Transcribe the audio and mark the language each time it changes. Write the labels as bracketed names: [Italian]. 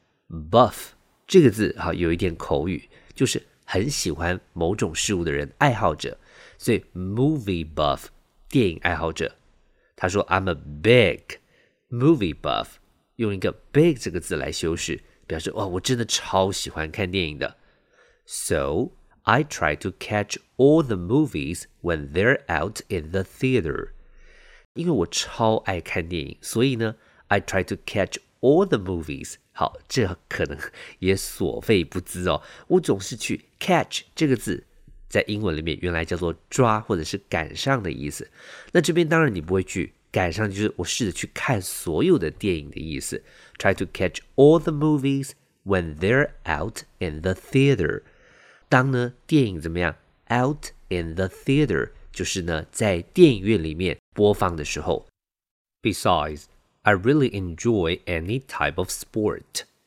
[Chinese] Buff 这个字好有一点口语就是很喜欢某种事物的人爱好者所以 movie buff电影爱好者，他说 [English] I'm a big movie buff， [Chinese] 用一个 big 这个字来修饰，表示哇，我真的超喜欢看电影的。 [English] So, I try to catch all the movies when they're out in the theater. [Chinese] 因为我超爱看电影，所以呢 , [English] I try to catch all the movies. [Chinese] 好，这可能也所费不赀哦。我总是去 catch 这个字。在英文里面原来叫做抓或者是赶上的意思，那这边当然你不会去赶上，就是我试着去看所有的电影的意思。 [English] Try to catch all the movies when they're out in the theater. [Chinese] 当呢电影怎么样 [English] out in the theater [Chinese] 就是呢在电影院里面播放的时候。 [English] Besides, I really enjoy any type of sport.